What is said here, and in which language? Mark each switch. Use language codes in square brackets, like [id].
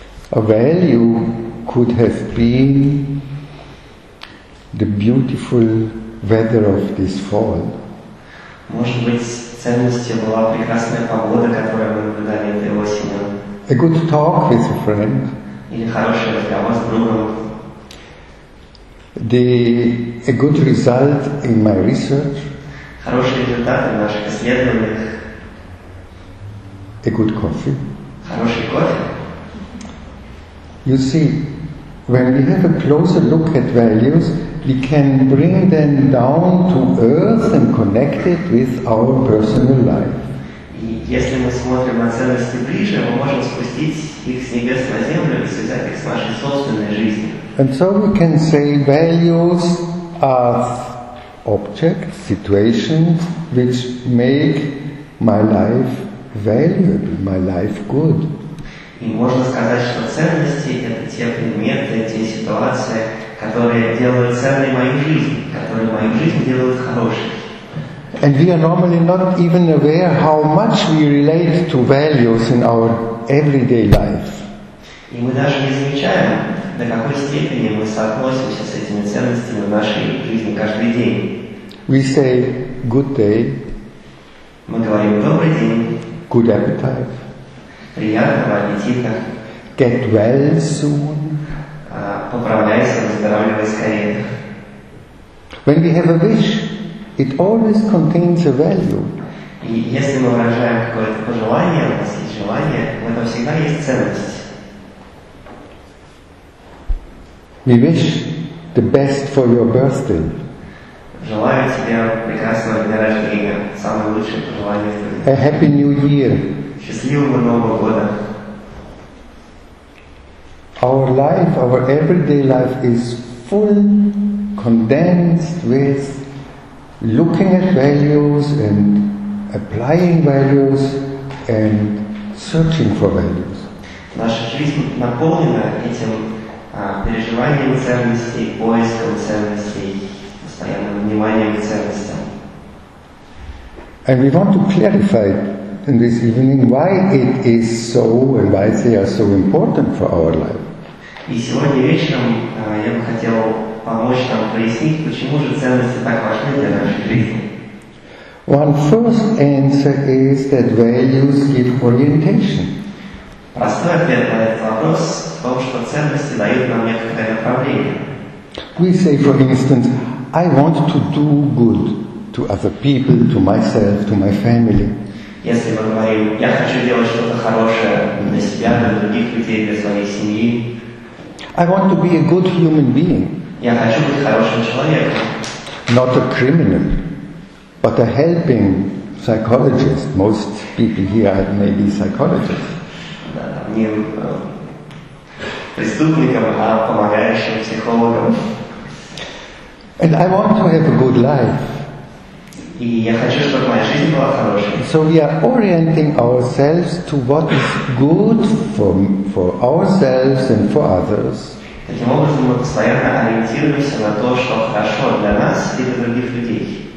[en] A value could have been the beautiful weather of this fall. [ru] Может быть, ценностью была прекрасная погода, которую мы наблюдали этой осенью. [en] A good talk with a friend. [ru] Или хороший разговор с другом. [en] A good result in my research. [ru] Хорошие результаты в наших исследованиях. [en] A good coffee. [ru] Хороший кофе. [en] You see, when we have a closer look at values, we can bring them down to earth and connect it with our personal life. [ru] И если мы смотрим на ценности ближе, мы можем спустить их с небес на землю и связать их с нашей собственной жизнью. [en] And so we can say values are objects, situations, which make my life valuable, my life good. [ru] И можно сказать, что ценности – это те предметы, те ситуации, которые делают ценной мою жизнь, которые мою жизнь делают хорошей. [en] And we are normally not even aware how much we relate to values in our everyday life. [ru] И мы даже не замечаем, до какой степени мы соотносимся с этими ценностями в нашей жизни каждый день. [en] We say good day. [ru] Мы говорим добрый день. [en] Good appetite. [ru] Приятного аппетита. [en] Get well soon. [ru] Поправляйся, выздоравливай скорее. [en] When we have a wish, it always contains a value. [ru] И если мы выражаем какое-то пожелание, у нас есть желание, в этом всегда есть ценность. [en] We wish the best for your birthday. [ru] Желаю тебе прекрасного дня рождения, самое лучшее пожелание в твоей жизни. [en] A happy new year. [ru] Счастливого Нового года. [en] Our life, our everyday life is full, condensed with looking at values and applying values and searching for values. [ru] Наша жизнь наполнена этим переживанием ценностей, поиском ценностей, постоянным вниманием к ценностям. [en] And we want to clarify in this evening why it is so and why they are so important for our life. [ru] И сегодня вечером я бы хотел помочь нам прояснить, почему же ценности так важны для нашей жизни. [en] One first answer is that values give orientation. [ru] Простой ответ на этот вопрос в том, что ценности дают нам некоторое направление. [en] We say, for instance, I want to do good to other people, to myself, to my family. [ru] Если мы говорим, я хочу делать что-то хорошее для себя, для других людей, для своей семьи. [en] I want to be a good human being. [ru] Я хочу быть хорошим человеком. [en] Not a criminal, but a helping psychologist. Most people here are maybe psychologists. [ru] Не преступником, а помогающим психологом. [en] And I want to have a good life. [ru] И я хочу, чтобы моя жизнь была хорошей. [en] So we are orienting ourselves to what is good for ourselves and for others. [ru] Таким образом, мы постоянно ориентируемся на то, что хорошо для нас и для других людей.